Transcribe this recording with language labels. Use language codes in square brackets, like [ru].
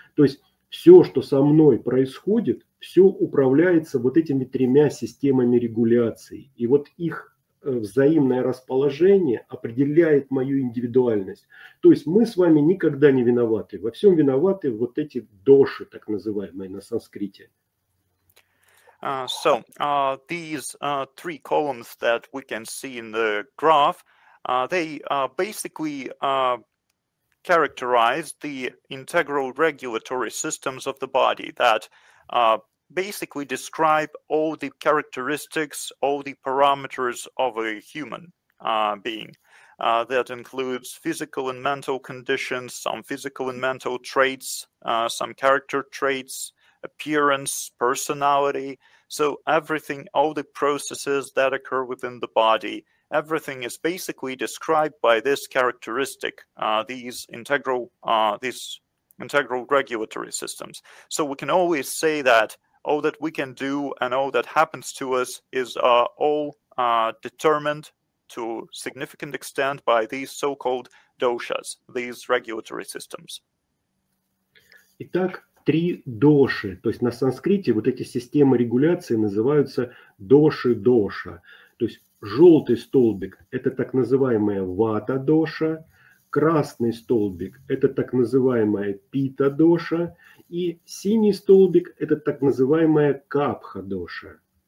[ru] То есть все, что со мной происходит, все управляется вот этими тремя системами регуляции. И вот их взаимное расположение определяет мою индивидуальность. То есть мы с вами никогда не виноваты. Во всем виноваты вот эти доши, так называемые на санскрите. [en] So these three columns that we can see in the graph, they basically characterize the integral regulatory systems of the body that basically describe all the characteristics, all the parameters of a human being. That includes physical and mental conditions, some physical and mental traits, some character traits, appearance, personality. So everything, all the processes that occur within the body, everything is basically described by this characteristic, these integral regulatory systems. So we can always say that all that we can do and all that happens to us is all determined to a significant extent by these so-called doshas, these regulatory systems. [ru] Итак, три доши, то есть на санскрите вот эти системы регуляции называются доши-доша. То есть желтый столбик – это так называемая вата-доша, красный столбик – это так называемая пита-доша, и синий столбик – это так называемая капха-доша.